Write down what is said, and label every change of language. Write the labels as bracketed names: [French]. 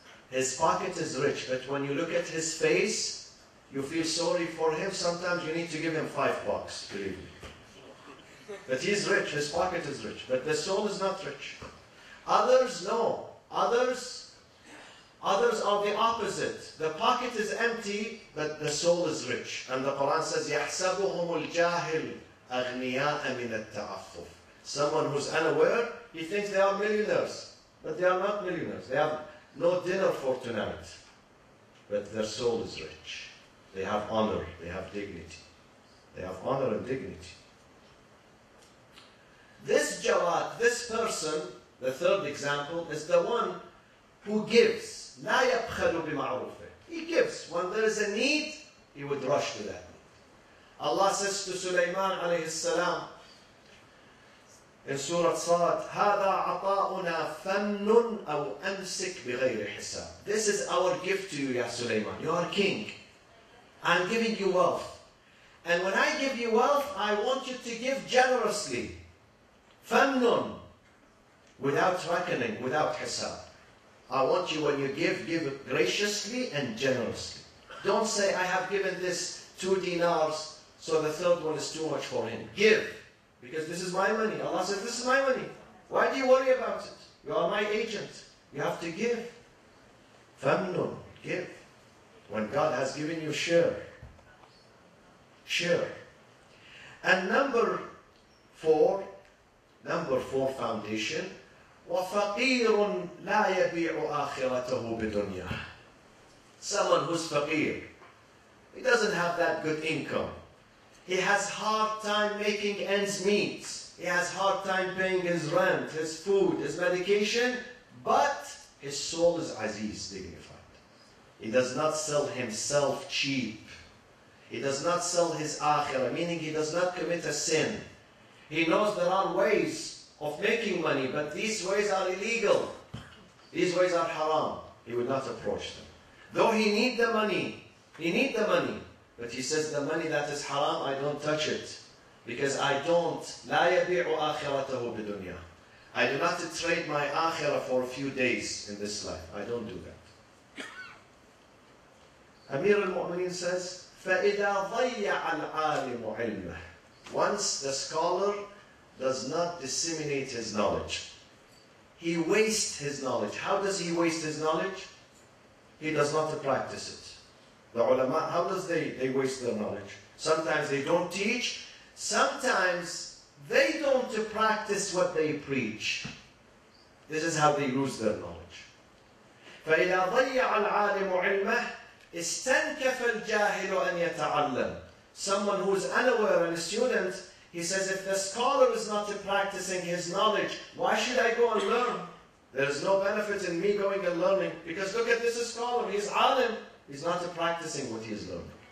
[English] His pocket is rich, but when you look at his face, you feel sorry for him, sometimes you need to give him $5, believe me. But he's rich, his pocket is rich, but the soul is not rich. Others, no. Others are the opposite. The pocket is empty, but the soul is rich. And the Quran says, [Arabic] يَحْسَبُهُمُ الْجَاهِلُ أَغْنِيَاءَ مِنَ التَّعَفُّفِ. [English] Someone who's unaware, he thinks they are millionaires. But they are not millionaires. They have no dinner for tonight. But their soul is rich. They have honor, they have dignity. They have honor and dignity. This jawad, this person, The third example is the one who gives. [Arabic] لا يبخل بمعروفه. [English] He gives. When there is a need, he would rush to that need. Allah says to Sulaiman [Arabic] عليه السلام [English] in Surah Sad, [Arabic] هذا عطاؤنا فن أو أمسك بغير حساب. [English] This is our gift to you, Ya Sulaiman. You are king. I'm giving you wealth. And when I give you wealth, I want you to give generously. [Arabic] فَنُّن [English] without reckoning, without حساب. I want you, when you give graciously and generously. Don't say, I have given this 2 dinars, so the third one is too much for him. Give, because this is my money. Allah says, this is my money. Why do you worry about it? You are my agent. You have to give. [Arabic] فَنُّن, [English] give. When God has given you, share. Share. And number four foundation, [Arabic] وفقير لا يبيع آخرته بدنيا. [English] Someone who's faqir, he doesn't have that good income. He has hard time making ends meet. He has hard time paying his rent, his food, his medication. But his soul is aziz, dignified. He does not sell himself cheap. He does not sell his akhirah, meaning he does not commit a sin. He knows there are ways of making money, but these ways are illegal. These ways are haram. He would not approach them. Though he need the money, but he says, the money that is haram, I don't touch it. Because I don't, [Arabic] لا يبيع آخرته بدنيا. [English] I do not trade my akhirah for a few days in this life. I don't do that. Amir al-Mu'mineen says, [Arabic] فَإِذَا ضَيَّعَ الْعَالِمُ عِلْمَهُ. [English] Once the scholar does not disseminate his knowledge, he wastes his knowledge. How does he waste his knowledge? He does not practice it. The ulama, how does they waste their knowledge? Sometimes they don't teach. Sometimes they don't practice what they preach. This is how they lose their knowledge. [Arabic] فَإِذَا ضَيَّعَ الْعَالِمُ عِلْمَهُ استنكف الجاهل أن يتعلم. [English] Someone who is unaware and a student, he says, if the scholar is not practicing his knowledge, why should I go and learn? There is no benefit in me going and learning, because look at this scholar, he's alim, he's not practicing what he is learning.